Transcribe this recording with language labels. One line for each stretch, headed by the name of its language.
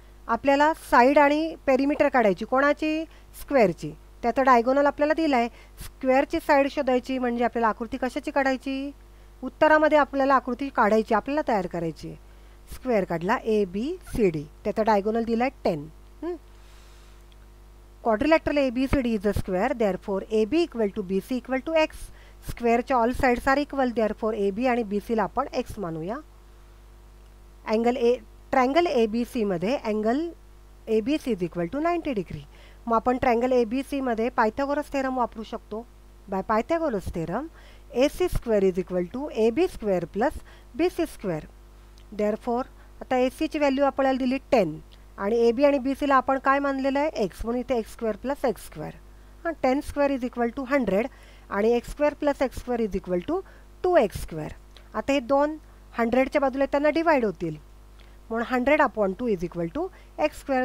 Marathi: आपल्याला साईड आणि पेरीमीटर काढायची, कोणाची, स्क्वेअरची. त्याचा डायगोनल आपल्याला दिला आहे. स्क्वेअरची साईड शोधायची म्हणजे आपल्याला आकृती कशाची काढायची, उत्तरामध्ये आपल्याला आकृती काढायची, आपल्याला तयार करायची. स्क्वेअर काढला ए बी सी डी, त्याचा डायगोनल दिला आहे 10.
English: Quadrilateral A B C D is a square, therefore A B equal to B C equal to X.
Marathi: स्क्वेअरच्या
English: all sides are equal,
Marathi: therefore A B आणि बी सीला आपण x मानूया.
English: Angle A, triangle A B सीमध्ये angle A B C is equal to 90 degree.
Marathi: मग आपण triangle A B सीमध्ये Pythagoras theorem वापरू शकतो.
English: By Pythagoras theorem A C square is equal to A B square plus B C square.
Marathi: Therefore आता ए सीची value आपल्याला दिली 10 आणि ए बी आणि बी सीला आपण काय मानलेलं आहे, एक्स, म्हणून इथे x square plus x square.
English: हां, 10² is equal to 100 आणि x square plus x square is equal to 2x².
Marathi: आता हे 2 100च्या बाजूला त्यांना डिवाइड होतील, म्हणून 100/2
English: Is equal to x square.